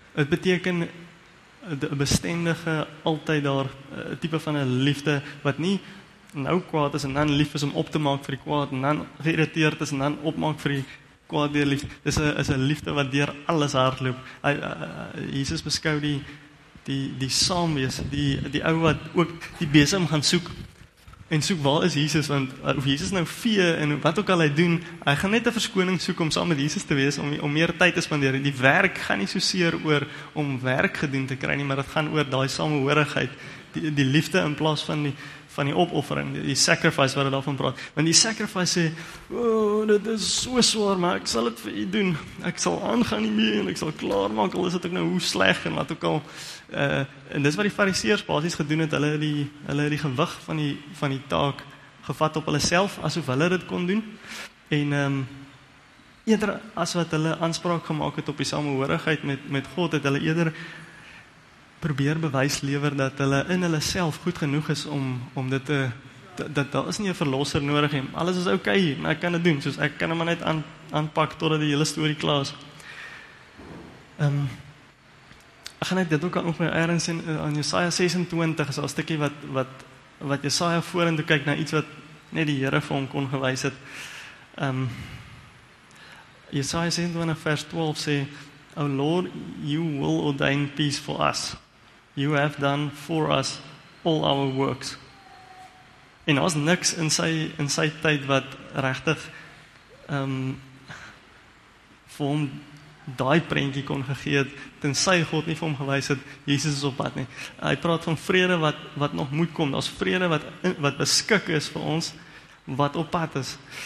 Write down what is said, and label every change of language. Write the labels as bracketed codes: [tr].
[af] Het beteken een bestendige, altyd daar type van een liefde wat nie nou kwaad is en dan lief is om op te maak vir die kwaad en dan geïrriteerd is en dan opmaak vir die kwaad deur liefde. Dis is een liefde wat deur alles hardloop. Jesus beskou die saamwees, die ou wat ook die besem gaan soek en soek waar is Jesus, want of Jesus nou vee en wat ook al hy doen, hy gaan net 'n verskoning soek om saam met Jesus te wees, om meer tyd te spandeer. Die werk gaan nie so seer oor om werk gedoen te kry nie, maar dit gaan oor daai samehorigheid, die liefde in plaas van die opoffering, die sacrifice wat hy daarvan praat. Want die sacrifice sê, dit is so swaar, maar ek sal dit vir u doen. Ek sal aangaan nie meer en ek sal klaarmaak, al is dit ook nou hoe sleg en wat ook al. En dis wat die fariseers basies gedoen het, hulle die gewig van die taak gevat op hulle self, asof hulle dit kon doen. En eerder as wat hulle aanspraak gemaak het op die samehorigheid met God, het hulle eerder probeer bewys lewer dat hulle in hulle self goed genoeg is om dit te, dat daar is nie 'n verlosser nodig en alles is okay, maar ek kan dit doen, soos ek kan hom net aanpak totdat die hele story klaar is. Ek gaan net dit ook nog my eerings in aan Jesaja 26, is al stikkie wat Jesaja voor en toe kyk na iets wat net die Here vir hom kon gewys het. [en] Jesaja 26 vers 12 sê, O Lord, you will ordain peace for us. You have done for us all our works. [af] En daar is niks in sy tyd wat regtig vir hom daai prentjie kon gegee het, tensy God nie vir hom gewys het, Jesus is op pad nie. Hy praat van vrede wat nog moet kom, daar is vrede wat beskik is vir ons, wat op pad is.